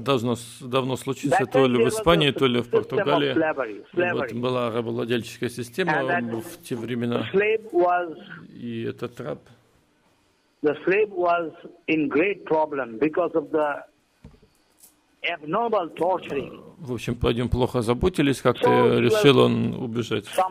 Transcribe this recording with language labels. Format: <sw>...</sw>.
<ru>давно случился, то ли в Испании, то ли в Португалии. Вот была рабовладельческая система в те времена. И этот раб.</ru> <en>The slave was in great problem because of the abnormal torturing.</en> <ru>В общем, по одним плохо заботились, как-то решил он убежать.</ru>